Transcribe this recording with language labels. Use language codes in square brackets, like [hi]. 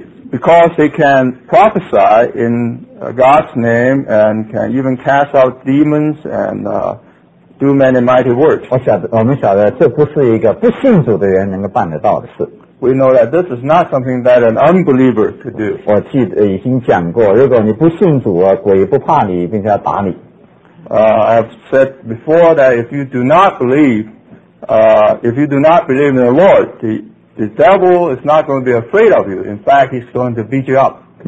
[en] Because they can prophesy in God's name and can even cast out demons and do many mighty works. [zh] 我们晓得这不是一个不信主的人能够办得到的事。 [en] We know that this is not something that an unbeliever could do. [zh] 我记得已经讲过，如果你不信主啊，鬼不怕你，并且要打你。 [en] I have said before that if you do not believe, in the Lord, The devil is not going to be afraid of you. In fact, he's going to beat you up.